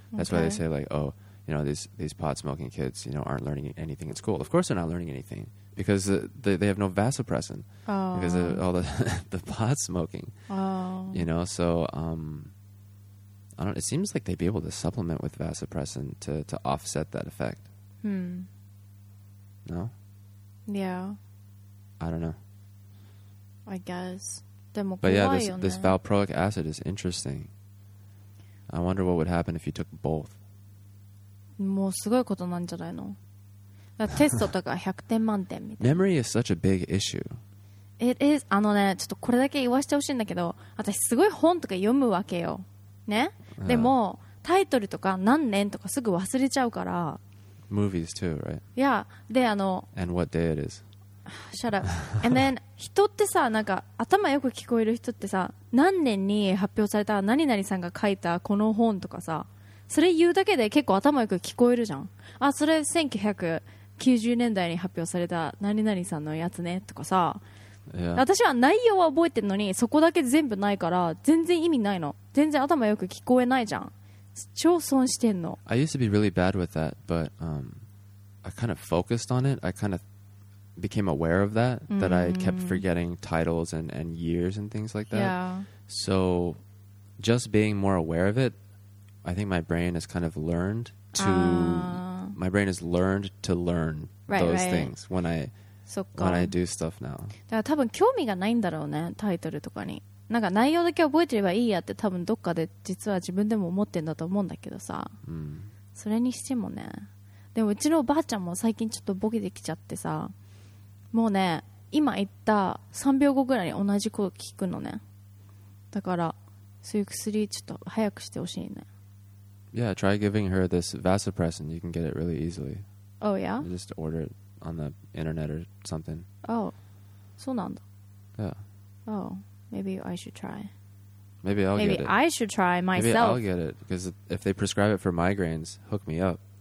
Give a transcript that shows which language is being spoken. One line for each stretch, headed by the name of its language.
English: That's、okay. why they say like, oh, you know, these pot-smoking kids, you know, aren't learning anything at school. Of course they're not learning anything because they have no vasopressin、because of all the, the pot-smoking,、you know, so...、I don't, it seems like they'd be able to supplement with vasopressin to offset that effect. No? Yeah. I don't know. I guess. でも
Japanese: 怖いよね。
English: But yeah, this valproic acid is interesting. I wonder what would happen if you took both.
Japanese: もうすごいことなんじゃないの。テストとか100点満点みたいな。
English: Memory is such a big issue. It is.
Japanese: あのね、ちょっとこれだけ言わしてほしいんだけど、私すごい本とか読むわけよ。ね、でもタイトルとか何年とかすぐ忘れちゃうから。
English: Movies too, right? Yeah, で、あの And what day it is. Shut up. And then
Japanese: 人ってさ、なんか頭よく聞こえる人ってさ、何年に発表された何々さんが書いたこの本とかさ、それ言うだけで結構頭よく聞こえるじゃん。あ、それ1990年代に発表された何々さんのやつねとかさ、
English: yeah.
Japanese: 私は内容は覚えてるのにそこだけ全部ないから全然意味ないの。全然頭よく聞こえないじゃん。超損してんの。
English: I used to be really bad with that, but、I kind of focused on it. I kind of became aware of that,、mm-hmm. that I kept forgetting titles and years and things like that. Yeah. So just being more aware of it, I think my brain has kind of learned to,、my brain has learned to learn right, those right. things when I,、 so、 when I do stuff now.
Japanese: だから多分興味がないんだろうね、タイトルとかに。なんか内容だけ覚えてればいいやって多分どっかで実は自分でも思ってんだと思うんだけどさ、うん、それにしてもね。でもうちのおばあちゃんも最近ちょっとボケてきちゃってさ、もうね今言った3秒後ぐらいに同じこと聞くのね。だからそういう薬ちょっと早くしてほしいね。
English: Yeah, try giving her this vasopressin. You can get it really easily. Oh yeah? Just order it on the internet or something.
Japanese: Oh, そうなんだ。
English: Yeah. Oh. Maybe I should try. Maybe I'll Maybe get it. Maybe I should try myself. Maybe I'll get it. Because if they prescribe it for migraines, hook me up.